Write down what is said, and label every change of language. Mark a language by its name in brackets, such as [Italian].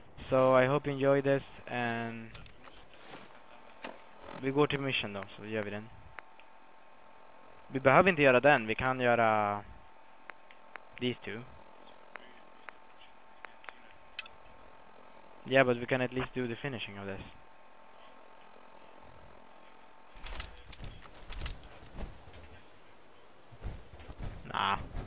[English] So I hope you enjoy this, and we go to mission though, [Swedish] so gör vi den. Vi behöver inte göra den, vi kan göra [English] these two. Yeah, but we can at least do the finishing of this. Nah.